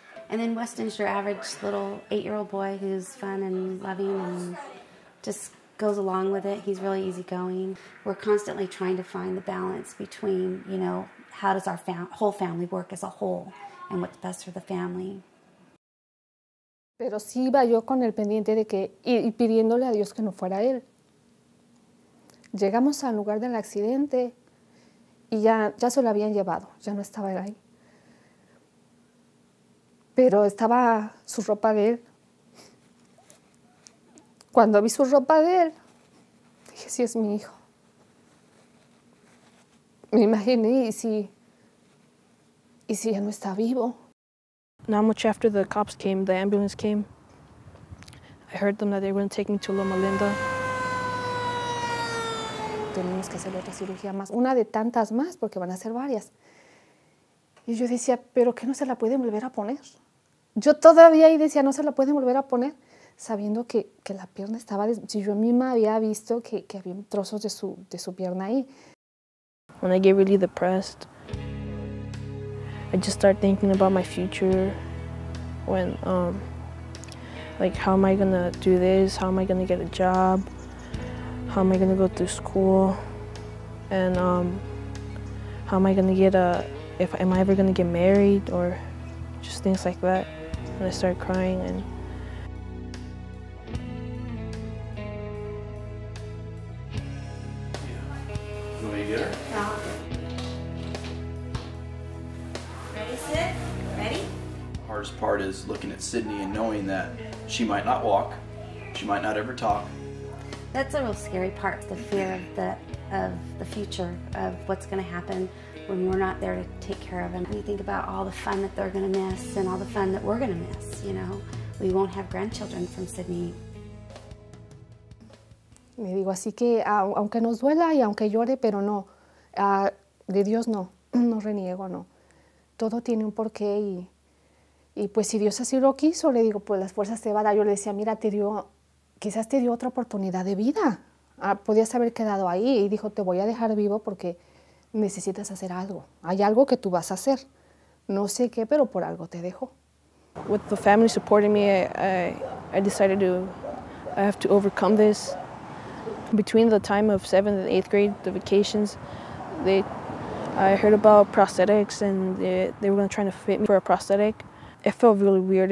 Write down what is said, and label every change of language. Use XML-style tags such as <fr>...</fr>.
<en>And then Weston's your average little 8-year-old boy who's fun and loving and just goes along with it. He's really easygoing. We're constantly trying to find the balance between, you know, how does our whole family work as a whole and what's best for the family.</en> <es>Pero sí iba yo con el pendiente de que, y pidiéndole a Dios que no fuera él. Llegamos al lugar del accidente y ya se lo habían llevado, ya no estaba él ahí. Pero estaba su ropa de él. Cuando vi su ropa de él, dije, sí, es mi hijo. Me imaginé, ¿y si ya no está vivo?</es> <en>Not much after the cops came, the ambulance came. I heard them that they were going to take me to Loma Linda.</en> <es>Tenemos que hacer otra cirugía más, una de tantas más, porque van a ser varias. Y yo decía, ¿pero qué no se la pueden volver a poner? Yo todavía ahí decía, ¿no se la pueden volver a poner? Sabiendo que la pierna estaba, si yo misma había visto que había trozos de su pierna ahí.</es> <en>When I get really depressed, I just start thinking about my future. When, like, how am I gonna do this? How am I gonna get a job? How am I gonna go to school? And how am I gonna get a, if am I ever gonna get married? Or just things like that. And I start crying and. Part is looking at Sydney and knowing that she might not walk, she might not ever talk. That's a real scary part, the fear of the future, of what's going to happen when we're not there to take care of them. And you think about all the fun that they're going to miss and all the fun that we're going to miss, you know. We won't have grandchildren from Sydney.</en> <es>Me digo, así que aunque nos duela y aunque llore, pero no, de Dios no, no reniego, no. Todo tiene un porqué y y pues si Dios así lo quiso, le digo, pues las fuerzas te van a dar. Yo le decía, mira, quizás te dio otra oportunidad de vida. Podías haber quedado ahí. Y dijo, te voy a dejar vivo porque necesitas hacer algo. Hay algo que tú vas a hacer. No sé qué, pero por algo te dejo.</es> <en>With the family supporting me, I decided to, I have to overcome this. Between the time of 7th and 8th grade, the vacations, I heard about prosthetics and they were going to try to fit me for a prosthetic. It felt really weird.</en>